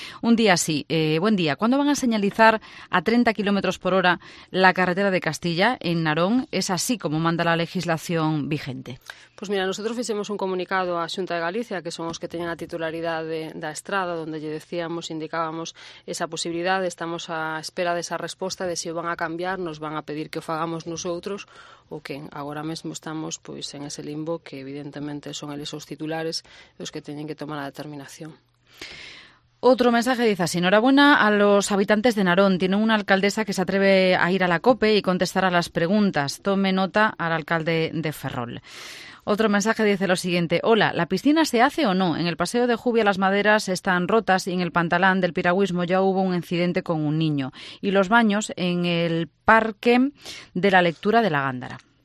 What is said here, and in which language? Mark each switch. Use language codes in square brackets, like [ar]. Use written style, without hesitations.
[es] Un día así, buen día, ¿cuándo van a señalizar a 30 km/h la carretera de Castilla en Narón? ¿Es así como manda la legislación vigente? [gl] Pues mira, nosotros fixemos un comunicado á Xunta de Galicia, que son os que teñen a titularidade da estrada, onde lle decíamos, indicábamos esa posibilidade, estamos á espera desa resposta de se o van a cambiar, nos van a pedir que o fagamos nosoutros, ou que agora mesmo estamos pois en ese limbo, que evidentemente son eles os titulares os que teñen que tomar a determinación. [es] Otro mensaje dice así, enhorabuena a los habitantes de Narón, tienen una alcaldesa que se atreve a ir a la COPE y contestar a las preguntas, tome nota al alcalde de Ferrol. Otro mensaje dice lo siguiente, hola, ¿la piscina se hace o no? En el paseo de Jubia las maderas están rotas y en el pantalán del piragüismo ya hubo un incidente con un niño y los baños en el parque de la lectura de la Gándara.